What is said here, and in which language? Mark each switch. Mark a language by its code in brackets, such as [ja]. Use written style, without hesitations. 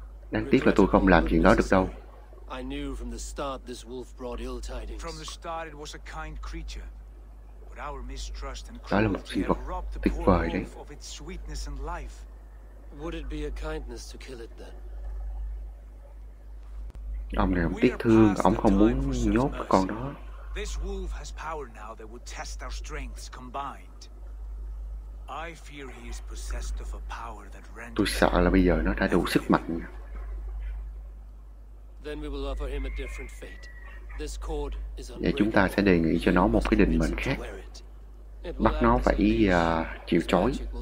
[vi] Đáng tiếc là tôi không làm chuyện đó được đâu. [en] I knew from the start this wolf brought ill tidings. From the start it was a kind creature. But our mistrust and cruelty had robbed the poor wolf of its sweetness and life. Would it be a kindness to kill it then? [vi] Ông này ông tiếc thương, ông không muốn nhốt con đó. [en] This wolf has power now that would test our strengths combined. I fear he is possessed of a power that renders. [vi] Tôi sợ là bây giờ nó đã đủ sức mạnh. [en] Then we will offer him a different fate. This cord is unbreakable. [vi] Vậy chúng ta sẽ đề nghị cho nó một cái định mệnh khác. Bắt nó phải chịu trói.